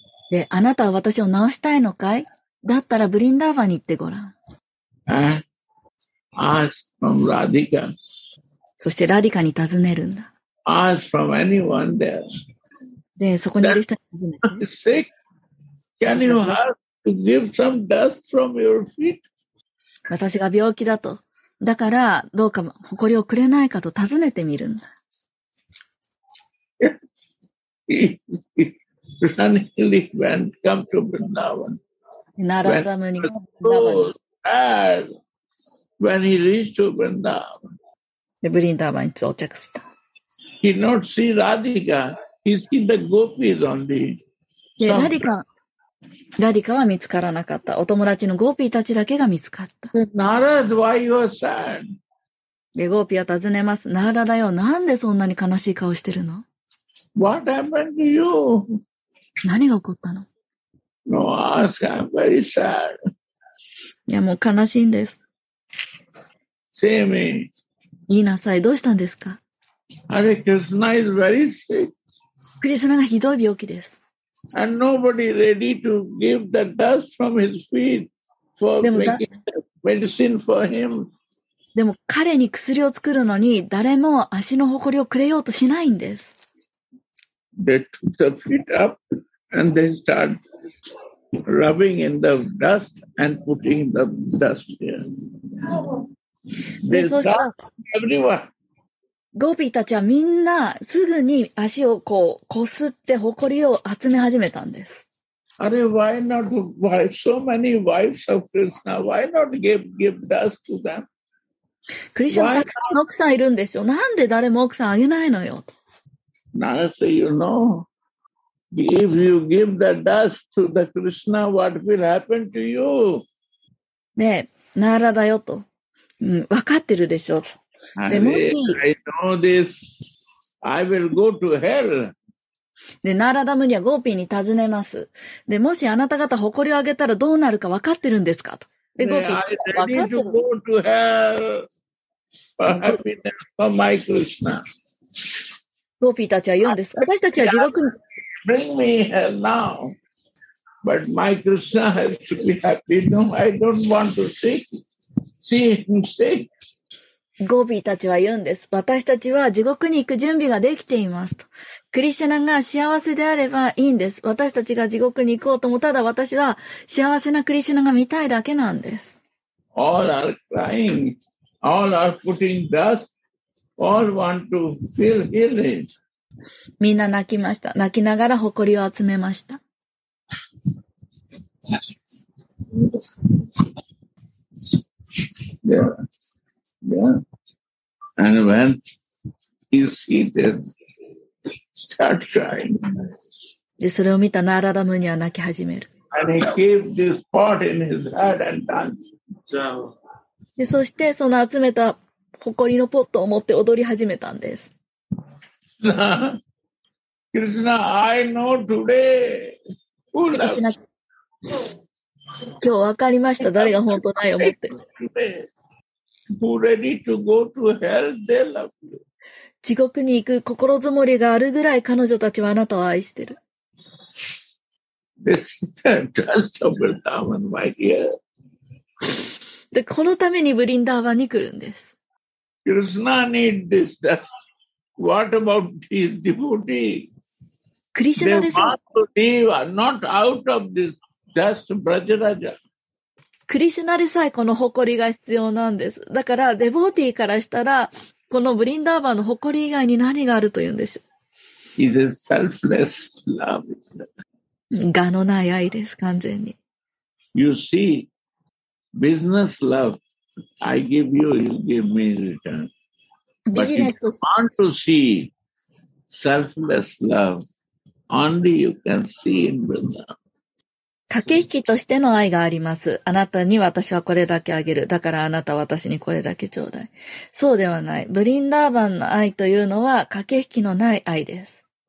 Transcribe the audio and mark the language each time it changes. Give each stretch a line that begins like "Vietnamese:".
Japanese: で、あなたは私を治したいのかい?だったらブリンダーバンに行ってごらん。
English: Ask from Radhika.
Japanese: そしてラディカに尋ねるんだ。
English: Ask from anyone there.
Japanese: で、そこにいる人に尋ね
English: て。Sick? Can you have to give some dust from your feet?
Japanese: 私が病気だと。だから、どうか埃をくれないかと尋ねてみるんだ。
English: Suddenly went come to Vrindavan. Narada Muni was so sad when he reached to Vrindavan.
Japanese: Vrindavan に到着した。
English: He not see Radhika. He see the gopis only.
Japanese: Radhika は見つからなかった。お友達のゴーピーたちだけが見つかった。
English: Narada, why you are sad?
Japanese: でゴーピーは尋ねます。ナーラだよ。なんでそんなに悲しい顔してるの?
English: What happened to you?
Japanese: 何が起こったの?
English: No, ask. I'm very sad.
Japanese: いやもう悲しいんです。
English: Say me.
Japanese: 言いなさい、どうしたんですか？
English: あれ、クリスナ is very sick.
Japanese: クリスナがひどい病気です。
English: And nobody ready to give the dust from his feet for making medicine for him.
Japanese: でも彼に薬を作るのに誰も足のほこりをくれようとしないんです。
English: They took the feet up and they started rubbing in the dust and putting the dust here. They stopped everyone.
Japanese: ゴビーたちはみんなすぐに足をこう擦ってほこりを集め始めたんです。
English: あれ、why not wife? So many wives of Krishna. Why not give dust to them?
Japanese: クリシュナたくさん奥さんいるんですよ。なんで誰も奥さんあげないのよ。
English: Narasa, you know, if you give the dust to the Krishna, what will happen to you?
Japanese: ねえ、ナーラだよと。うん、わかってるでしょ。でもし、
English: I know this. I will go to hell.
Japanese: で、ナーラダムニはゴーピーに尋ねます。で、もしあなた方誇りをあげたらどうなるか分かってるんですかと。で、ゴーピー、
English: I ready to go to hell for happiness for my Krishna.
Japanese: ゴーピーたちは言うんです。私たちは地獄に。
English: Bring me hell now. But my Krishna has to be happy. No, I don't want to see him sick.
Japanese: ゴビーたちは言うんです。私たちは地獄に行く準備ができていますと。クリシュナが幸せであればいいんです。私たちが地獄に行こうとも、ただ私は幸せなクリシュナが見たいだけなんです。
English: All are crying. All are putting dust. All want to feel healing.
Japanese: みんな泣きました。泣きながら埃を集めました。
English: Yeah. Yeah. And when you see them, start crying.
Japanese: で、それを見たナーラダムニは泣き始める。
English: And he gave this pot in his head and danced.
Japanese: で、そしてその集めた埃のポットを持って踊り始めたんです。
English: Krishna, I know today.
Japanese: Krishna, 今日分かりました。誰が本当ないと思ってる。
English: Who ready to go to hell? They love you.
Japanese: 地獄に行く心づもりがあるぐらい彼女たちはあなたを愛してる。
English: This is the dust of Vrindavan, my dear.
Japanese: で、このためにブリンダーバンに来るんです。
English: Krishna need this dust. What about these devotees?
Japanese: クリシュナです。
English: They want to leave, not out of this dust, Brajaraja.
Japanese: クリシュナでさえこの誇りが必要なんです。だからデボーティーからしたら、このブリンダーバーの誇り以外に何があるというんでしょう。
English: It is selfless love.
Japanese: 我のない愛です、完全に。
English: You see, business love, I give you, you give me return. But if you want to see selfless love, only you can see in Vrindavan.
Japanese: 駆け引きとしての愛があります。あなたに私はこれだけあげる。だからあなたは私にこれだけちょうだい。そうではない。ブリンダーバンの愛というのは駆け引きのない愛です。